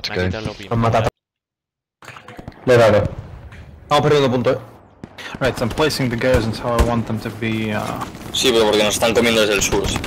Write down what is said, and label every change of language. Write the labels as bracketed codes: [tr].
[es] quitado el Opi. Han matado. Le he dado. Vamos perdiendo punto, [en] Right, so I'm placing the garrisons how I want them to be, [es] Sí, pero porque nos están comiendo desde el sur.